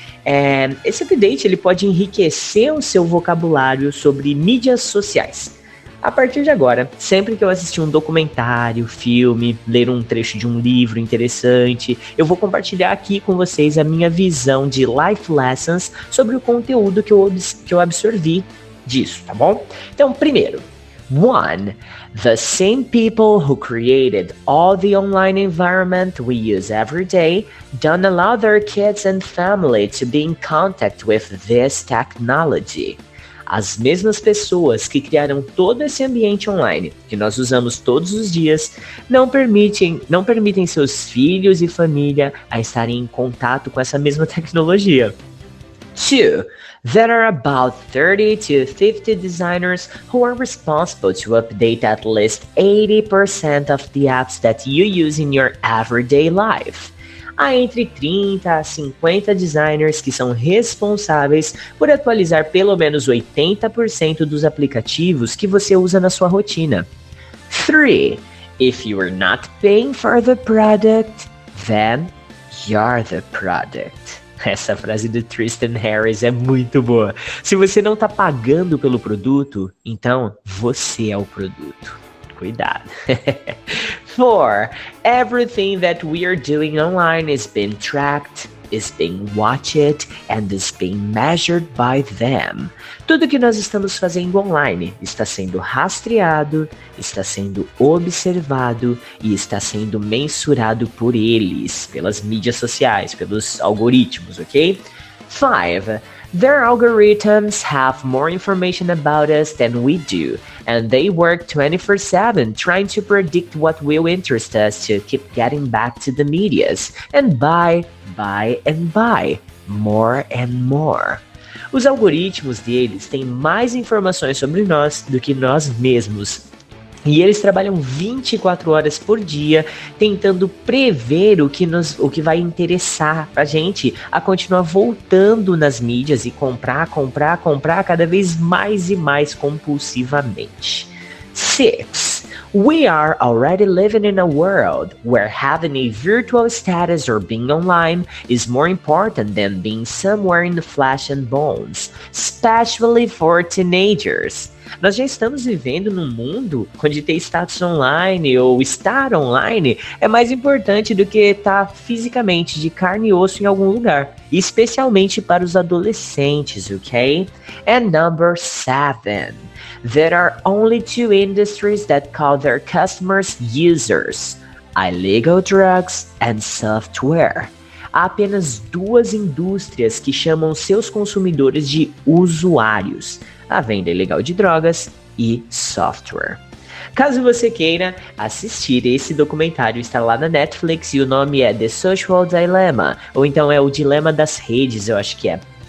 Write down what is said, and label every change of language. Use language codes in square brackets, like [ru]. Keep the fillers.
[pt] É, esse update ele pode enriquecer o seu vocabulário sobre mídias sociais a partir de agora, sempre que eu assistir um documentário, filme, ler um trecho de um livro interessante, eu vou compartilhar aqui com vocês a minha visão de life lessons sobre o conteúdo que eu, que eu absorvi disso, tá bom? Então, primeiro. [en] One, the same people who created all the online environment we use every day don't allow their kids and family to be in contact with this technology. [pt] As mesmas pessoas que criaram todo esse ambiente online que nós usamos todos os dias não permitem, não permitem seus filhos e família a estarem em contato com essa mesma tecnologia. [en] 2. There are about 30 to 50 designers who are responsible to update at least 80% of the apps that you use in your everyday life [pt] há entre 30 a 50 designers que são responsáveis por atualizar pelo menos 80% dos aplicativos que você usa na sua rotina. [en] 3. If you are not paying for the product, then you're the product. [pt] Essa frase do Tristan Harris é muito boa. Se você não está pagando pelo produto, então você é o produto. Cuidado. 4. [en] Everything that we are doing online has been tracked, is being tracked, watched, and is being measured by them. [pt] Tudo que nós estamos fazendo online está sendo rastreado, está sendo observado e está sendo mensurado por eles, pelas mídias sociais, pelos algoritmos, ok? [en] 5. Their algorithms have more information about us than we do, and they work 24 7 trying to predict what will interest us to keep getting back to the medias and buy, buy, and buy more and more. [pt] Os algoritmos deles têm mais informações sobre nós do que nós mesmos. E eles trabalham 24 horas por dia tentando prever o que, nos, o que vai interessar a gente a continuar voltando nas mídias e comprar, comprar, comprar cada vez mais e mais compulsivamente. 6. [en] We are already living in a world where having a virtual status or being online is more important than being somewhere in the flesh and bones, especially for teenagers [pt] nós já estamos vivendo num mundo onde ter status online ou estar online é mais importante do que estar fisicamente de carne e osso em algum lugar, especialmente para os adolescentes, ok? [en] And number seven. There are only two industries that call their customers users: illegal drugs and software. [pt] Há apenas duas indústrias que chamam seus consumidores de usuários, a venda ilegal de drogas e software. Caso você queira assistir esse documentário, está lá na Netflix e o nome é The Social Dilemma, ou então é O Dilema das Redes, eu acho que é.